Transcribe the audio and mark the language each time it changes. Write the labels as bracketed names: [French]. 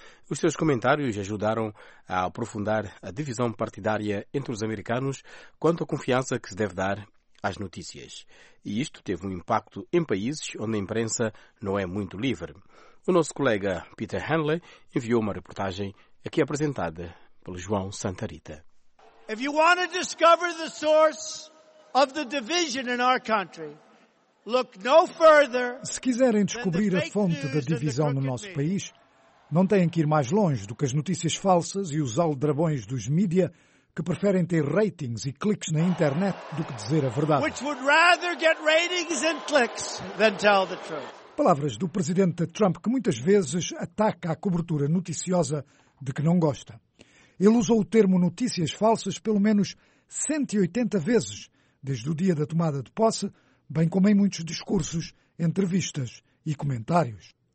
[Portuguese] Os seus comentários ajudaram a aprofundar a divisão partidária entre os americanos quanto à confiança que se deve dar às notícias. E isto teve um impacto em países onde a imprensa não é muito livre. O nosso colega Peter Hanley enviou uma reportagem aqui apresentada pelo João Santarita. [English] If you want to discover the source of the division in our country, look no further. [Portuguese] Se quiserem descobrir a fonte da divisão no nosso país, não têm que ir mais longe do que as notícias falsas e os aldrabões dos mídia que preferem ter ratings e cliques na internet do que dizer a verdade. [English] Which would rather get ratings and clicks than tell the truth. [Portuguese] Palavras do presidente Trump, que muitas vezes ataca a cobertura noticiosa de que não gosta. Ele usou o termo notícias falsas pelo menos 180 vezes, desde o dia da tomada de posse, bem como em muitos discursos, entrevistas e comentários.